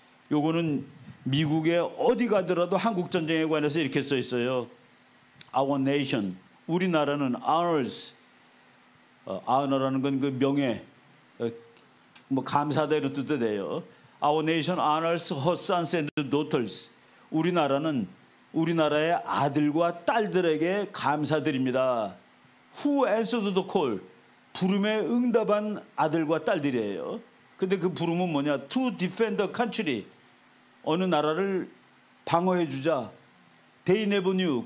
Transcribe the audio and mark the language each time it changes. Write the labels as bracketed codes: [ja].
[ko] 요거는 미국에 어디 가더라도 한국 전쟁에 관해서 이렇게 써 있어요. [en] Our nation, [ko] 우리나라는 ours. honor라는 건 그 명예, 뭐 감사다 이런 뜻도 돼요. [en] Our nation honors her sons and daughters. [ko] 우리나라는 우리나라의 아들과 딸들에게 감사드립니다. [en] Who answered the call? [ko] 부름에 응답한 아들과 딸들이에요. 근데 그 부름은 뭐냐? [en] To defend the country. [ko] 어느 나라를 방어해 주자. [en] They never knew.